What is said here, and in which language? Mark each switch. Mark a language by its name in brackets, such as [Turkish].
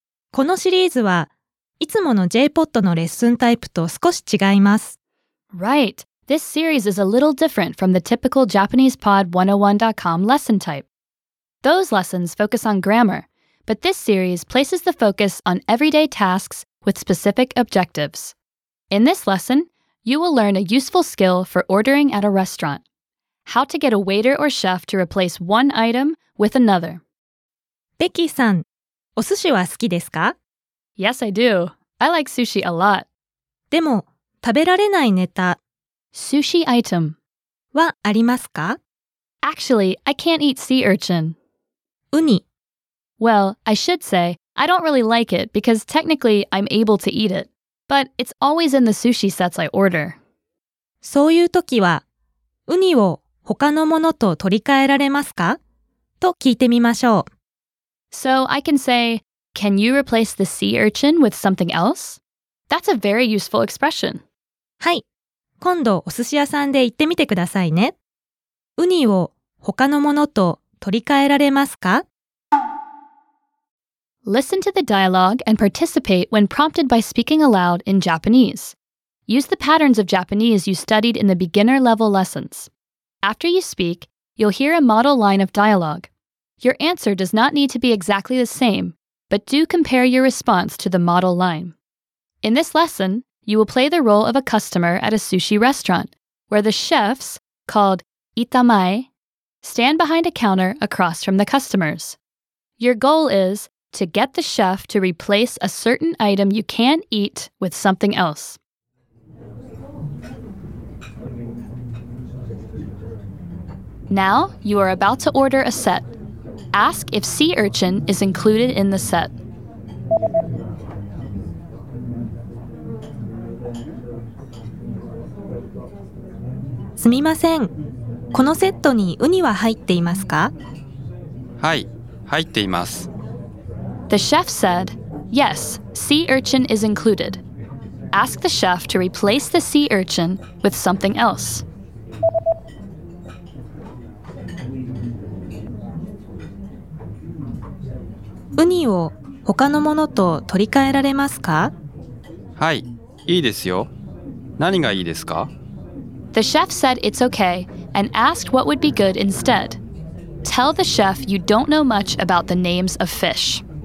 [Japanese] このシリーズはいつもの J-POD のレッスンタイプと少し違います。 [English] Right. This series is a little different from the typical JapanesePod101.com lesson type. Those lessons focus on grammar, but this series places the focus on everyday tasks with specific objectives. In this lesson, you will learn a useful skill for ordering at a restaurant. How to get a waiter or chef to replace one item with another. [Japanese] Becky-san, お寿司は好きですか? [English] Yes, I do. I like sushi a lot. [Japanese] でも、食べられないネタ。 [English] Sushi item. [Japanese] はありますか? [English] Actually, I can't eat sea urchin. [Japanese] Uni. [English] Well, I should say, I don't really like it because technically I'm able to eat it. But it's always in the sushi sets I order. [Japanese] そういう時は、ウニを他のものと取り替えられますか? と聞いてみましょう。 [English] So I can say, can you replace the sea urchin with something else? That's a very useful expression. [Japanese] はい。今度お寿司屋さんで行ってみてくださいね。ウニを他のものと取り替えられますか? [English] Listen to the dialogue and participate when prompted by speaking aloud in Japanese. Use the patterns of Japanese you studied in the beginner level lessons. After you speak, you'll hear a model line of dialogue. Your answer does not need to be exactly the same, but do compare your response to the model line. In this lesson,You will play the role of a customer at a sushi restaurant, where the chefs, called itamae, stand behind a counter across from the customers. Your goal is to get the chef to replace a certain item you can't eat with something else. Now, you are about to order a set. Ask if sea urchin is included in the set. [Japanese] すみません。このセットにウニは入っていますか? はい、入っています。 [English] The chef said, yes, sea urchin is included. Ask the chef to replace the sea urchin with something else. [Japanese] ウニを他のものと取り替えられますか? はい、いいですよ。何がいいですか? [English] The chef said it's okay and asked what would be good instead. Tell the chef you don't know much about the names of fish.